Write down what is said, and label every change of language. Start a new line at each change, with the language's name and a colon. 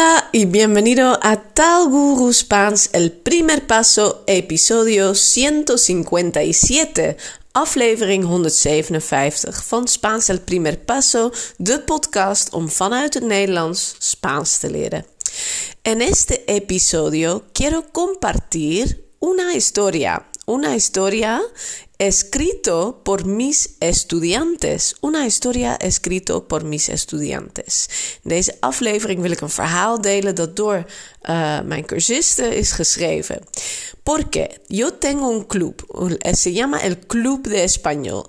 Spanish: Y bienvenido a Tal Guru Spans, el primer paso, episodio 157,
Dutch: aflevering 157 van Spaans el primer paso, de podcast om vanuit het Nederlands Spaans te leren.
Spanish: En este episodio quiero compartir una historia escrito por mis estudiantes. Una historia escrito por mis estudiantes.
Dutch: In deze aflevering wil ik een verhaal delen dat door mijn cursisten is geschreven.
Spanish: Porque yo tengo un club. Se llama el Club de Español.